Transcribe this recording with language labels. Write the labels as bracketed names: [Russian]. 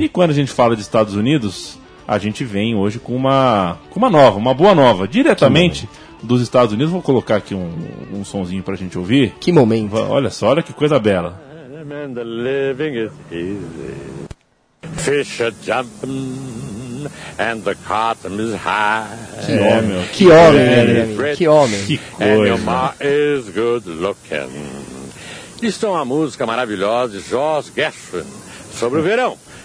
[Portuguese] E quando a gente fala de Estados Unidos... A gente vem hoje com uma boa nova, diretamente dos Estados Unidos. Vou colocar aqui um sonzinho pra gente ouvir. Que momento. Olha só, olha que coisa bela. [English] Man, the living is easy. Fish are jumping and the cotton is high. [Portuguese] Que homem. Que homem, né? Que homem. Que coisa. [English] And your ma is good looking. [Portuguese] Isso é uma música maravilhosa de Joss Gershwin sobre o verão.